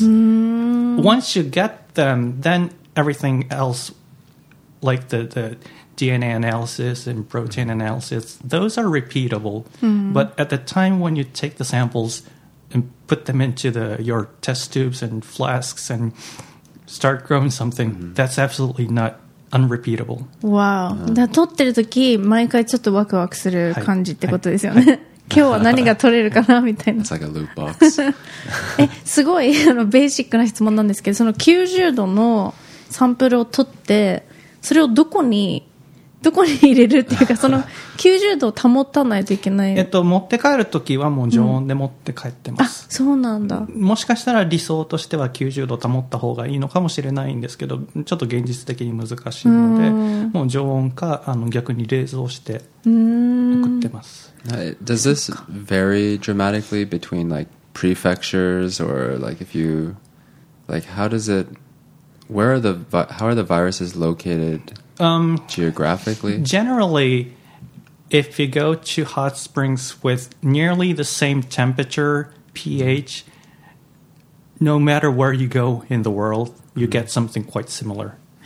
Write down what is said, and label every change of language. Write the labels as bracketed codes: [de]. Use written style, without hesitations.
[en] Once you get them, then everything else, like the DNA analysis and protein analysis, those are repeatable. But at the time when you take the samples and put them into your test tubes and flasks and start growing something, that's absolutely not unrepeatable. Wow. [ja] だ撮ってる時毎回ちょっとワクワクする感じってことですよね。今日は何が撮れるかなみたいな。 [en] It's like a loot box. [ja] すごいベーシックな質問なんですけど、その90度のサンプルを撮って、それをどこに入れるっていうか、その90度を保たないといけない。持って帰るときはもう常温で持って帰ってます。あ、そうなんだ。もしかしたら理想としては90度保った方がいいのかもしれないんですけど、ちょっと現実的に難しいので、もう常温か逆に冷蔵して送ってます。 [en] Does this vary dramatically between like prefectures or like if you like how does it where are the how are the viruses located? Geographically, generally, if you go to hot springs with nearly the same temperature, pH, no matter where you go in the world, you get something quite similar.